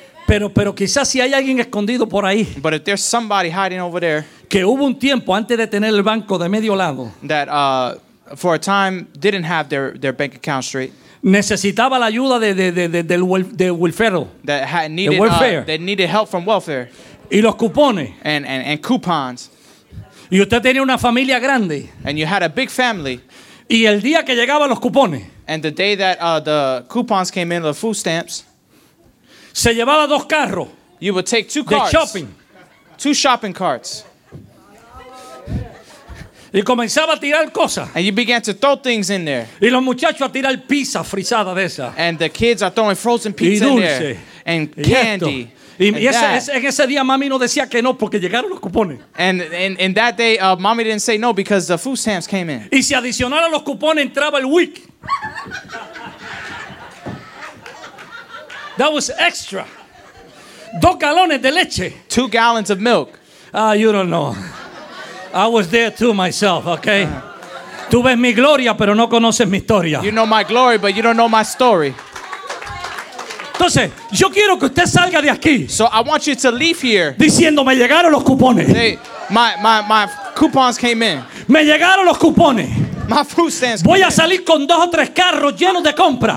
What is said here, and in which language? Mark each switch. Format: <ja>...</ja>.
<es>Pero quizás si hay alguien escondido por ahí.</es> <en>But if there's somebody hiding over there.</en> <es>Que hubo un tiempo antes de tener el banco de medio lado.</es> <en>That for a time didn't have their bank account straight.</en> <es>Necesitaba la ayuda de welfare.</es> <en>That had needed welfare. They needed help from welfare.</en> <es>Y los cupones.</es> <en>And coupons.</en> <es>Y usted tenía una familia grande.</es> <en>And you had a big family.</en> <es>Y el día que llegaban los cupones.</es> <en>And the day that the coupons came in, the food stamps.</en> <es>Se llevaba dos carros.</es> <en>You would take two carts.</en> <es>De shopping.</es> <en>Two shopping carts.</en> <es>Y comenzaba a tirar cosas.</es> <en>And you began to throw things in there.</en> <es>Y los muchachos a tirar pizza frisada de esa.</es> <en>And the kids are throwing frozen pizza in there. And candy.</en> <es>Y en ese día mami no decía que no porque llegaron los cupones.</es> <en>And that day mommy didn't say no because the food stamps came in.</en> <es>Y si adicionara los cupones entraba el week.</es> <en>That was extra. 2 gallons</en> <es>de leche.</es> <en>2 gallons of milk. Ah, you don't know. I was there too myself, okay?</en> <es>Tú ves mi gloria, pero no conoces mi historia.</es> <en>You know my glory, but you don't know my story.</en> <es>Entonces, yo quiero que usted salga de aquí.</es> <en>So I want you to leave here.</en> <es>Diciendo, me llegaron los cupones.</es> <en>My coupons came in.</en> <es>Me llegaron los cupones.</es> <en>My food stamps.</en> <es>Voy a salir con dos o tres carros llenos de compra.</es>